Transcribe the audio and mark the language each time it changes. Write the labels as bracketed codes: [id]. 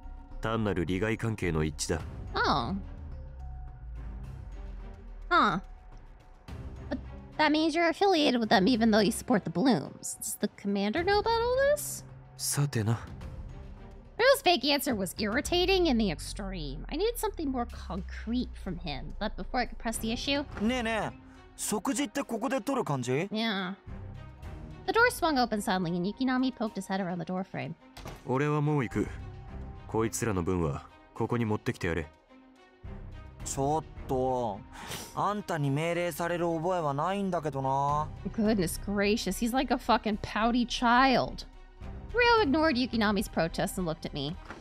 [ja] 味方でも敵でもない。単なる利害関係の一致だ。 [en] Oh. Huh. But that means you're affiliated with them even though you support the Blooms. Does the commander know about all this? [ja] さてな。 [en] Ryo's vague answer was irritating in the extreme. I needed something more concrete from him, but before I could press the issue... [ja] ねえねえ、食事ってここで取る感じ? [en] Yeah. The door swung open suddenly and Yukinami poked his head around the doorframe. [ja] 俺はもう行く。こいつらの分はここに持ってきてやれ。ちょっと、あんたに命令される覚えはないんだけどな。 [en] Goodness gracious, he's like a fucking pouty child. Ryo ignored Yukinami's protest and looked at me.